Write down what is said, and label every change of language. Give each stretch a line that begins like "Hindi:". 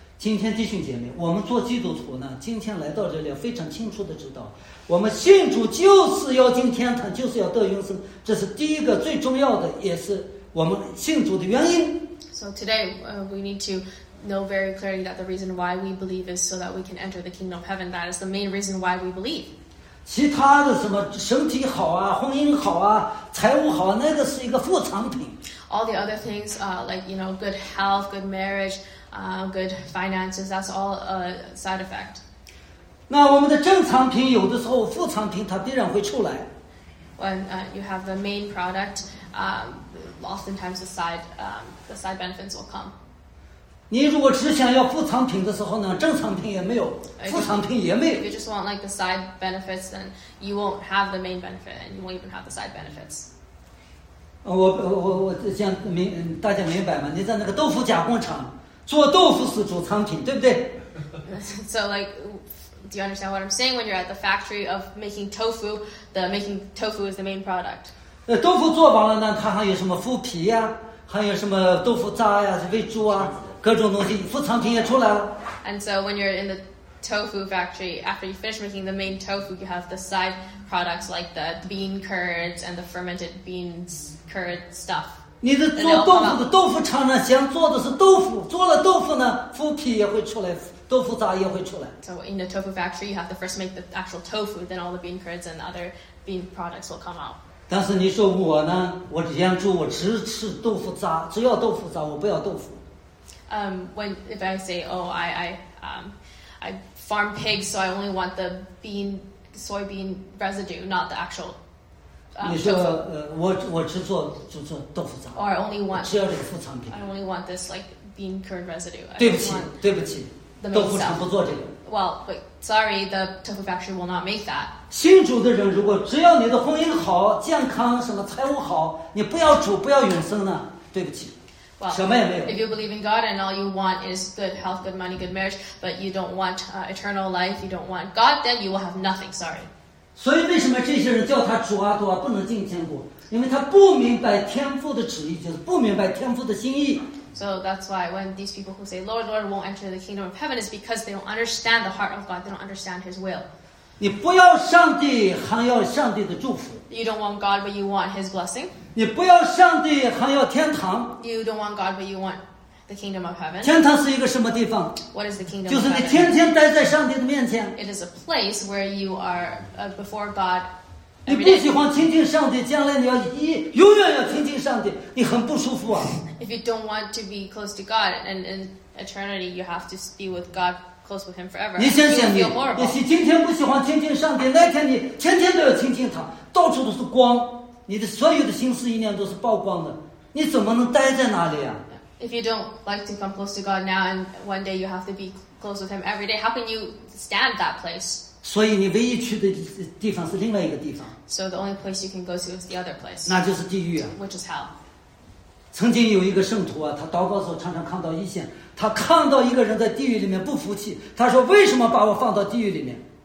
Chinese: 今天弟兄姐妹，我们做基督徒呢，今天来到这里非常清楚的知道，我们信主就是要进天堂，就是要得永生，这是第一个最重要的，也是我们信主的原因。
English: So today, we need to know very clearly that the reason why we believe is so that we can enter the kingdom of heaven. That is the main reason why we believe.
Chinese: 其他的什么身体好啊，婚姻好啊，财务好，那个是一个副产品。
English: All the other things, like you know, good health, good marriage, good finances, that's all a side effect.
Chinese: 那我们的正产品有的时候副产品它必然会出来。
English: When you have the main product, oftentimes the side benefits will come.
Chinese: 你如果只想要副产品的时候呢，正产品也没有，副产品也没有。
English: If you just want like the side benefits, then you won't have the main benefit, and you won't even have the side benefits.
Chinese: 我这样明大家明白吗？你在那个豆腐加工厂做豆腐是主产品，对不对？
English: So like, do you understand what I'm saying? When you're at the factory of making tofu, the making tofu is the main product.
Chinese: 豆腐做完了呢，它还有什么麸皮呀、啊？还有什么豆腐渣呀、啊？喂猪啊？各种东西，副产品也出来了。
English: And so when you're in the tofu factory, after you finish making the main tofu, you have the side products like the bean curds and the fermented beans curd stuff.
Chinese: 你的做豆腐的豆腐厂呢，先做的是豆腐，做了豆腐呢，麸皮也会出来，豆腐渣也会出来。
English: So in the tofu factory, you have to first make the actual tofu, then all the bean curds and other bean products will come out.
Chinese: 但是你说我呢，我养猪，我只吃豆腐渣，只要豆腐渣，我不要豆腐。
English: When if I say, oh, I farm pigs, so I only want the bean, soybean residue, not the actual.
Chinese: 你说我只做就做豆腐渣。
English: Or I only want.
Chinese: 只要这个副产品。
English: I only want this like bean curd residue.
Chinese: 对不起，豆腐厂不做这个。
English: Well, wait, sorry, the tofu factory will not make that.
Chinese: 信主的人，如果只要你的婚姻好、健康、什么财务好，你不要主，不要永生呢？对不起。
English: Well, if you believe in God and all you want is good health, good money, good marriage, but you don't want eternal life, you don't want God, then you will have nothing. Sorry.
Chinese: 所以为什么这些人叫他主啊主啊不能进天国？因为他不明白天父的旨意，就是不明白天父的心意。
English: So that's why when these people who say Lord, Lord won't enter the kingdom of heaven is because they don't understand the heart of God. They don't understand His will.
Chinese: 你不要上帝，还要上帝的祝福。
English: You don't want God, but you want His blessing.
Chinese: 你不要上帝，还要天堂。
English: You don't want God, but you want the kingdom of heaven.
Chinese: 天堂是一个什么地方？
English: What is the kingdom of heaven?
Chinese: 就是你天天待在上帝的面前。
English: It is a place where you are before God.
Chinese: 你不喜欢亲近上帝，将来你要永远要亲近上帝，你很不舒服啊。
English: If you don't want to be close to God, and in eternity you have to be with God close with Him forever, you feel horrible.
Chinese: 你今天不喜欢亲近上帝，那天你天天都要亲近他，到处都是光。你的所有的心思意念都是曝光的，你怎么能待在那里啊？
English: If you don't like to come close to God now and one day you have to be close with Him every day, how can you stand that place?
Chinese: 所以你唯一去的地方是另外一个地方。
English: So the only place you can go to is the other place.
Chinese: 那就是地狱啊。
English: Which is hell.
Chinese: 曾经有一个圣徒啊，他祷告的时候常常看到异象，他看到一个人在地狱里面不服气，他说为什么把我放到地狱里面？